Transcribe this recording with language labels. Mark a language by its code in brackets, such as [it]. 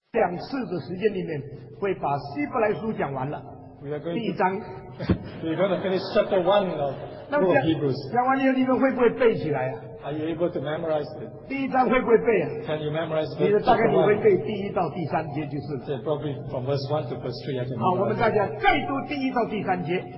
[zh] 两次的时间里面会把希伯来书讲完了。第一章。 [en] We're going to finish chapter one of the book of Hebrews. [zh] 讲完以后你们会不会背起来啊？ [en] Are you able to memorize it? [zh] 第一章会不会背啊？ [en] Can you memorize it? [zh] 大概你会背第一到第三节就是。 [en] Yeah, probably from verse 1 to verse 3, I can memorize. [zh] 好，我们大家再读第一到第三节。